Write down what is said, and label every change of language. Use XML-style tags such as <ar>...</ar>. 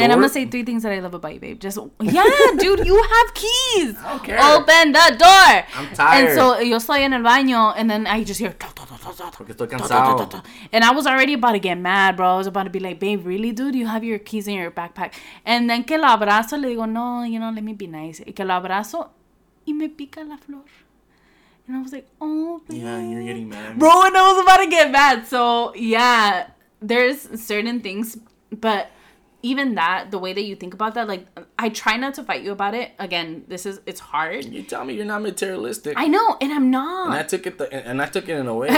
<en>And I'm going to say three things that I love about you, babe. Just, yeah, dude, you have keys. I don't care. Open the door. I'm tired. And so,</en> <es>yo estoy en el baño,</es> <en>and then I just hear, and I was already about to get mad, bro. I was about to be like, babe, really, dude? You have your keys in your backpack. And then,</en> <es>que lo abrazo, le digo, no,</es> <en>you know, let me be nice.</en> <es>Que lo abrazo, y me pica la flor.</es> <en>And I was like, oh, babe. Yeah, you're getting mad. Bro, and I was about to get mad. So, yeah. There's certain things, but even that, the way that you think about that, like, I try not to fight you about it. Again, it's hard. You tell me you're not materialistic. I know, and I'm not. And I took it in a way.</en>